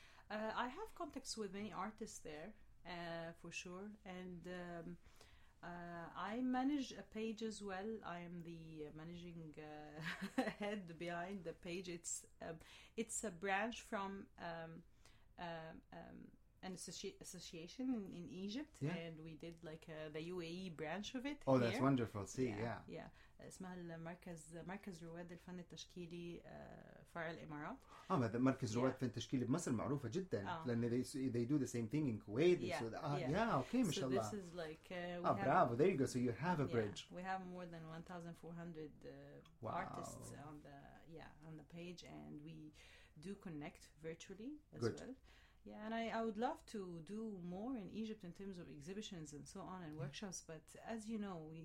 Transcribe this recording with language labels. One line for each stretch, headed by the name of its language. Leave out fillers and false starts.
English: I have contacts with many artists there, for sure, and I manage a page as well. I am the managing head behind the page. It's a branch from an association in Egypt, and we did like the UAE branch of it. Oh, that's wonderful. See,
Arabic: اسمها مركز رواد الفن التشكيلي فرع الإمارات. مركز رواد الفن التشكيلي بمصر معروفة جدا لأن
English: they do the same thing in Kuwait.
Arabic: Okay, ما شاء الله.
English: So this is like bravo, there you go. So you have a bridge. We have more than 1,400 artists on the page, and we do connect virtually as well. Yeah, and I would love to do more in Egypt in terms of exhibitions and so on and workshops, but as you know...